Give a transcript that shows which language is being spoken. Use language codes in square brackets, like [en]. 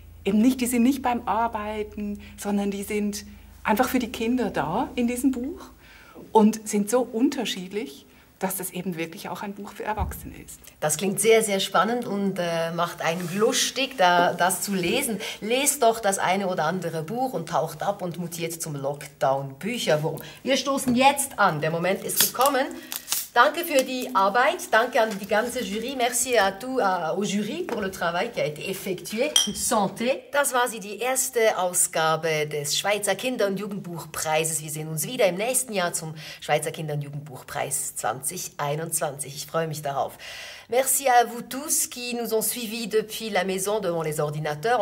[de] Eben nicht, die sind nicht beim Arbeiten, sondern die sind einfach für die Kinder da in diesem Buch und sind so unterschiedlich, dass das eben wirklich auch ein Buch für Erwachsene ist. Das klingt sehr, sehr spannend und macht einen lustig, das zu lesen. Lest doch das eine oder andere Buch und taucht ab und mutiert zum Lockdown-Bücherwurm. Wir stoßen jetzt an. Der Moment ist gekommen. Danke für die Arbeit. Danke an die ganze Jury. [fr] Merci à tout, au Jury pour le travail qui a été effectué. Santé. [de] Das war sie, die erste Ausgabe des Schweizer Kinder- und Jugendbuchpreises. Wir sehen uns wieder im nächsten Jahr zum Schweizer Kinder- und Jugendbuchpreis 2021. Ich freue mich darauf. [fr] Merci à vous tous qui nous ont suivis depuis la maison devant les ordinateurs.